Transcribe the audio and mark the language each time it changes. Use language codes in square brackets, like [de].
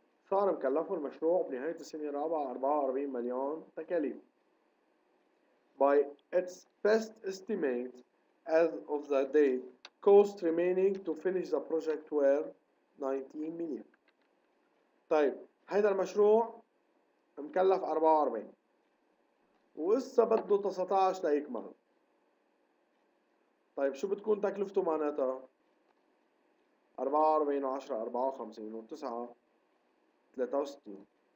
[ar] صار مكلفه المشروع بنهاية السنة الرابعة 44 مليون تكاليف. [en] By its best estimate as of the date, cost remaining to finish the project were 19 million. [ar] طيب هيدا المشروع مكلف 44 ولسه بده 19 ليكمل. طيب شو بتكون تكلفته معناتها؟ 44 و10 54 و9 63.